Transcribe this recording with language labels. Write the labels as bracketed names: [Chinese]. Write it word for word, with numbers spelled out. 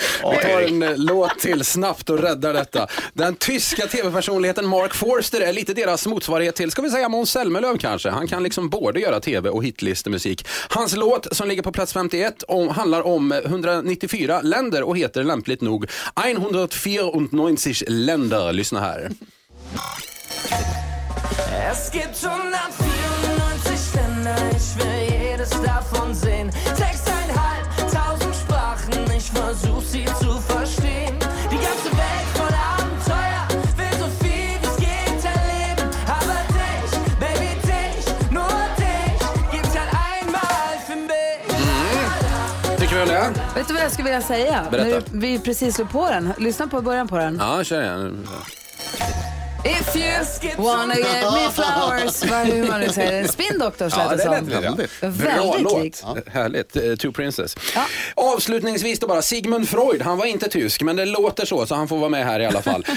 [Swedish] Vi tar en låt till snabbt och räddar detta. Den tyska tv-personligheten Mark Forster är lite deras motsvarighet till, ska vi säga, Måns Zelmerlöw kanske. Han kan liksom både göra tv och hitlistemusik. Hans låt som ligger på plats femtioett om, handlar om hundranittiofyra länder och heter lämpligt nog hundertvierundneunzig Länder. Lyssna här. [German] Es gibt hundertvierundneunzig Länder, ich will jedes davon sehen. sechstausendfemhundert Sprachen, ich versuch sie zu verstehen. Die ganze Welt voll Abenteuer, will so viel es geht erleben. Aber dich, baby dich, nur dich, gibt's halt einmal für mich. [Swedish] Tycker du det? Vet du vad jag skulle vilja säga? Berätta. Nu, vi precis slog på den. Lyssna på början på den. Ja, kör igen. [English] If you wanna get me flowers. [Swedish] Vad hur man nu säger. [English] Spin Doctors [Swedish] ja, lät det som. Väldigt, väldigt likt. Ja. Härligt. Uh, Two Princess. Ja. Avslutningsvis då bara. Sigmund Freud, han var inte tysk men det låter så så han får vara med här i alla fall.